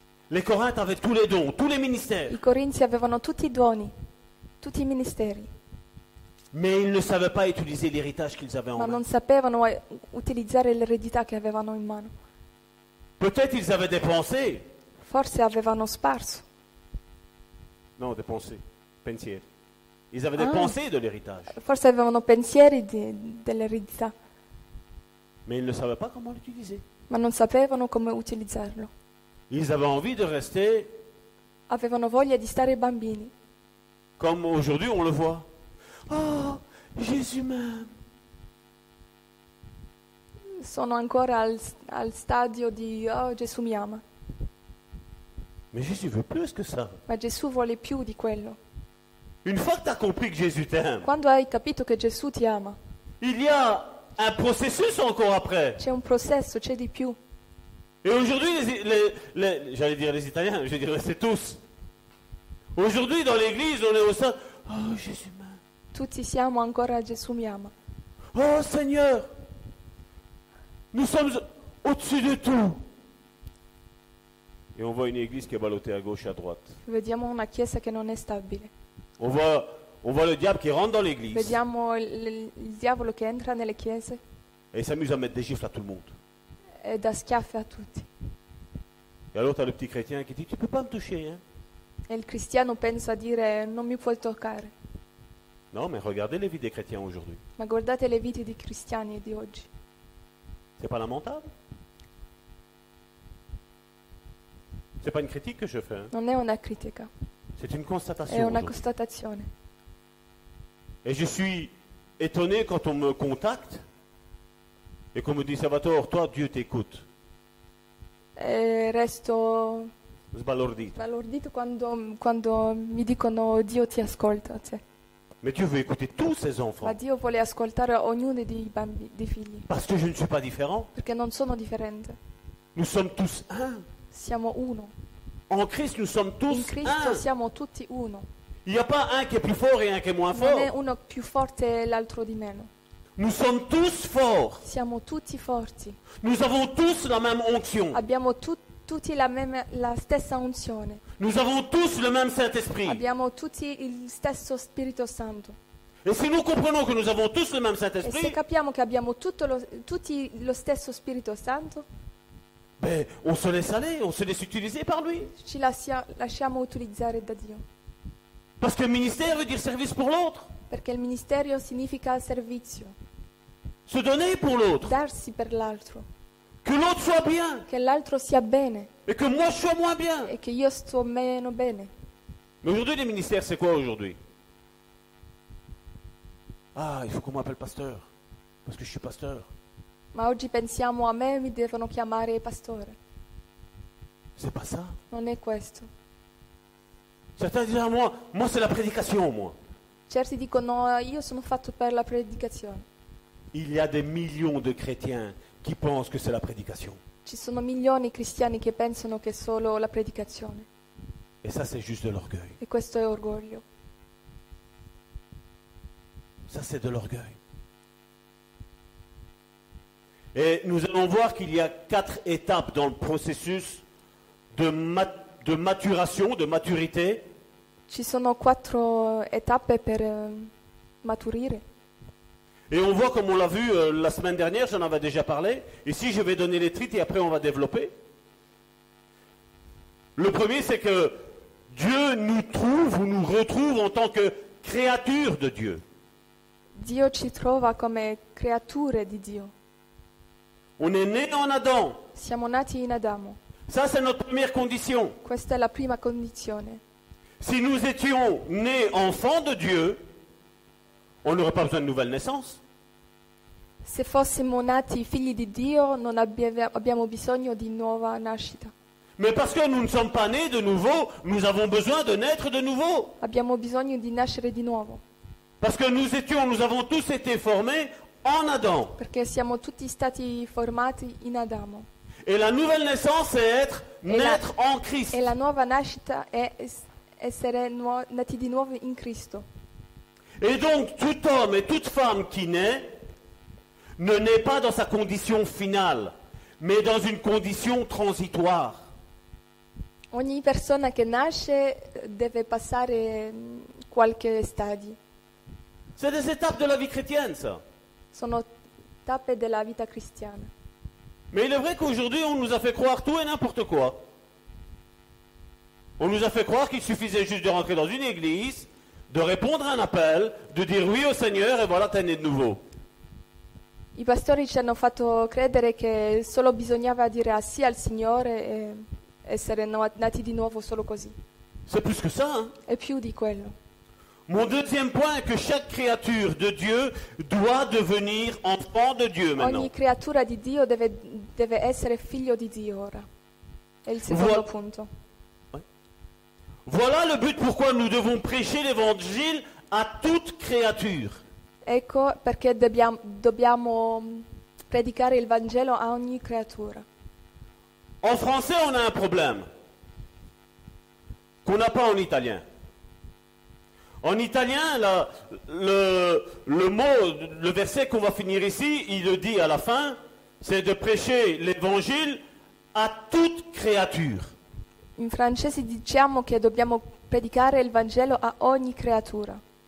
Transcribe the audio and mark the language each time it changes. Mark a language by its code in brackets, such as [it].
[fr] Les Corinthes avaient tous les dons, tous les ministères. [it] I Corinzi avevano tutti i doni, tutti i ministeri. [fr] Mais ils ne savaient pas utiliser l'héritage qu'ils avaient en main. [it] Ma non sapevano utilizzare l'eredità che avevano in mano. [fr] Peut-être ils avaient dépensé. [it] Forse avevano sparso. [fr] Non, dépensé. [it] Pensieri. [fr] Ils avaient dépensé de l'héritage. [it] Forse avevano pensieri dell'eredità. [fr] Mais ils ne savaient pas comment l'utiliser. [it] Ma non sapevano come utilizzarlo. [fr] Ils avaient envie de rester. [it] Avevano voglia di stare bambini. [fr] Comme aujourd'hui on le voit. Oh, Jésus m'aime. [it] Sono ancora al stadio di oh, Gesù mi ama. [fr] Mais Jésus veut plus que ça. [it] Ma Gesù vuole più di quello. [fr] Une fois que tu as compris que Jésus t'aime. [it] Quando hai capito che Gesù ti ama. [fr] Il y a un processus encore après. [it] C'è un processo, c'è di più. [fr] Et aujourd'hui j'allais dire les Italiens, je dirais c'est tous. Aujourd'hui dans l'église, on est au stade oh Jésus m'aime. [it] Tutti siamo ancora a Gesù mi ama. [fr] Oh Seigneur. Nous sommes au-dessus de tout. Et on voit une église qui est ballottée à gauche et à droite. [it] Vediamo una chiesa che non è stabile. [fr] On voit le diable qui rentre dans l'église. [it] Vediamo il diavolo che entra nelle chiese. [fr] Et il s'amuse à mettre des gifles à tout le monde. [it] E da schiaffi a tutti. [fr] Et alors t'as le petit chrétien qui dit tu peux pas me toucher, hein? [it] E il cristiano pensa a dire non mi puoi toccare. [fr] Non, mais regardez les vies des chrétiens aujourd'hui. [it] Ma guardate le vite dei cristiani di oggi. [fr] C'est pas lamentable? C'est pas une critique que je fais. Hein? [it] Non è una critica. [fr] C'est une constatation. [it] È una constatazione. [fr] Et je suis étonné quand on me contacte et qu'on me dit Salvatore, toi Dieu t'écoute. [it] E resto sbalordito quando mi dicono Dio ti ascolta, cioè. [fr] Mais Dieu veut écouter tous ses enfants. [it] Ma Dio vuole ascoltare ognuno dei bambini, dei figli. [fr] Parce que je ne suis pas différent. [it] Perché non sono differente. [fr] Nous sommes tous un. [it] Siamo uno. [fr] En Christ, nous sommes tous un. [it] In Cristo siamo tutti uno. [fr] Il n'y a pas un qui est plus fort et un qui est moins fort. [it] Non è uno più forte e l'altro di meno. [fr] Nous sommes tous forts. [it] Siamo tutti forti. [fr] Nous avons tous la même onction. [it] Abbiamo tutti la stessa unzione. [fr] Nous avons tous le même Saint-Esprit. [it] Abbiamo tutti il stesso Spirito Santo. [fr] Et si nous comprenons que nous avons tous le même Saint-Esprit, [it] se capiamo che abbiamo tutti lo stesso Spirito Santo, [fr] beh, on se laisse aller, on se laisse utiliser par lui. [it] Ci lasciamo utilizzare da Dio. [fr] Parce que ministère veut dire service pour l'autre. [it] Perché il ministerio significa servizio. [fr] Se donner pour l'autre. [it] Darsi per l'altro. [fr] Que l'autre soit bien. [it] Che l'altro sia bene. [fr] Et que moi je sois moins bien. [it] E che io sto meno bene. [fr] Mais aujourd'hui, les ministères, c'est quoi aujourd'hui? Ah, il faut qu'on m'appelle pasteur, parce que je suis pasteur. [it] Ma oggi pensiamo a me, mi devono chiamare pastore. [fr] C'est pas ça. [it] Non è questo. [fr] Certains disent à moi c'est la prédication, moi. [it] Certi dicono, no, io sono fatto per la predicazione. [fr] Il y a des millions de chrétiens qui pensent que c'est la prédication. [it] Ci sono milioni di cristiani che pensano che è solo la predicazione. [fr] Et ça, c'est juste de l'orgueil. [it] E questo è orgoglio. [fr] Ça, c'est de l'orgueil. Et nous allons voir qu'il y a quatre étapes dans le processus de maturation, de maturité. [it] Ci sono quattro étapes per maturire. [fr] Et on voit, comme on l'a vu la semaine dernière, j'en avais déjà parlé. Ici, je vais donner les titres et après, on va développer. Le premier, c'est que Dieu nous trouve ou nous retrouve en tant que créature de Dieu. [it] Dio ci trova come creature di Dio. [fr] On est né en Adam. [it] Siamo nati in Adamo. [fr] Ça, c'est notre première condition. [it] Questa è la prima condizione. [fr] Si nous étions nés enfants de Dieu, on n'aurait pas besoin de nouvelle naissance. [it] Se fossimo nati figli di Dio, non abbiamo bisogno di nuova nascita. [fr] Mais parce que nous ne sommes pas nés de nouveau, nous avons besoin de naître de nouveau. [it] Abbiamo bisogno di nascere di nuovo. [fr] Parce que nous avons tous été formés en Adam. [it] Perché siamo tutti stati formati in Adamo. [fr] Et la nouvelle naissance est être naître en Christ. [it] E la nuova nascita è essere nati di nuovo in Cristo. [fr] Et donc tout homme et toute femme qui naît ne naît pas dans sa condition finale, mais dans une condition transitoire. [it] Ogni persona che nasce deve passare qualche stadio. [fr] C'est des étapes de la vie chrétienne, ça. [it] Sono tappe della vita cristiana. [fr] Mais il est vrai qu'aujourd'hui, on nous a fait croire tout et n'importe quoi. On nous a fait croire qu'il suffisait juste de rentrer dans une église, de répondre à un appel, de dire oui au Seigneur, et voilà, t'es né de nouveau. [it] I pastori ci hanno fatto credere che solo bisognava dire sì al Signore e essere nati di nuovo solo così. [fr] C'est plus que ça, hein. [it] È più di quello. [fr] Mon deuxième point est que chaque créature de Dieu doit devenir enfant de Dieu maintenant. [it] Ogni creatura di Dio deve essere figlio di Dio ora. È il secondo punto. [fr] Voilà le but pourquoi nous devons prêcher l'évangile à toute créature. [it] Ecco perché dobbiamo predicare il Vangelo a ogni creatura. [fr] En français, on a un problème qu'on n'a pas en italien. En italien, le verset qu'on va finir ici, il le dit à la fin, c'est de prêcher l'évangile à toute créature. [it] In francese diciamo che dobbiamo predicare il Vangelo a ogni creatura.